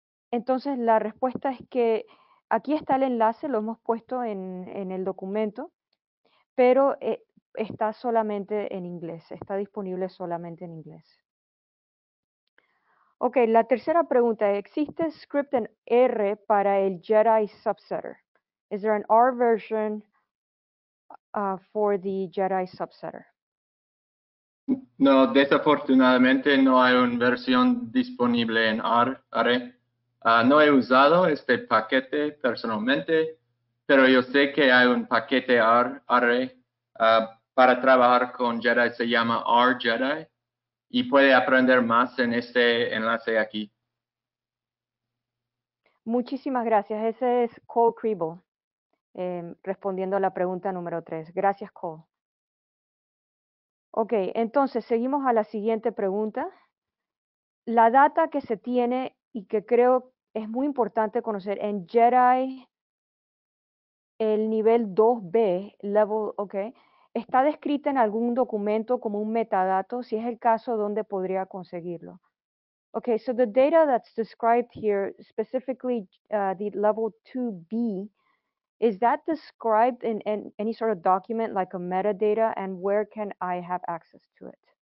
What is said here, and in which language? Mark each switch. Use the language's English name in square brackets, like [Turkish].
[Spanish] Entonces, la respuesta es que aquí está el enlace, lo hemos puesto en el documento, pero está solamente en inglés, está disponible solamente en inglés. Ok, la tercera pregunta, ¿existe script en R para el JETEYE Subsetter? [English] Is there an R version for the JETEYE Subsetter? [Spanish] No, desafortunadamente no hay una versión disponible en R. No he usado este paquete personalmente, pero yo sé que hay un paquete Array para trabajar con JETEYE, se llama RJETEYE, y puede aprender más en este enlace aquí. Muchísimas gracias. Ese es Cole Kribble, respondiendo a la pregunta número 3. Gracias, Cole. Ok, entonces, seguimos a la siguiente pregunta. La data que se tiene y que creo es muy importante conocer en JETEYE, el nivel 2B, level, ok, está descrita en algún documento como un metadato, si es el caso, ¿dónde podría conseguirlo? [English] Ok, so the data that's described here, specifically the level 2B, is that described in any sort of document like a metadata, and where can I have access to it?